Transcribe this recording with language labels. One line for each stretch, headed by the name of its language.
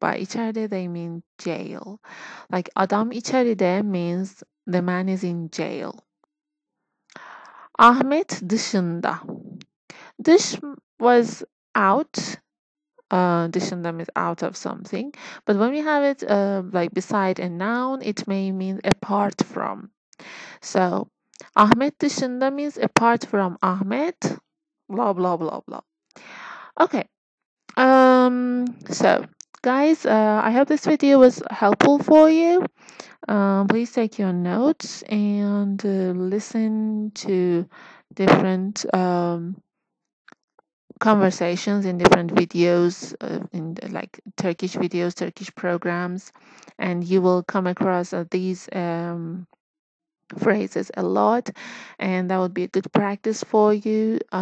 English: By içeride they mean jail. Like
Turkish: adam içeride
English: means the man is in jail. Ahmet dışında. Dış was out. Dışında is out of something. But when we have it like beside a noun, it may mean apart from. So Ahmet dışında means apart from Ahmet. Blah, blah, blah, blah. Okay, so guys, I hope this video was helpful for you. Please take your notes and listen to different conversations in different videos, in like Turkish videos, Turkish programs, and you will come across these phrases a lot, and that would be a good practice for you.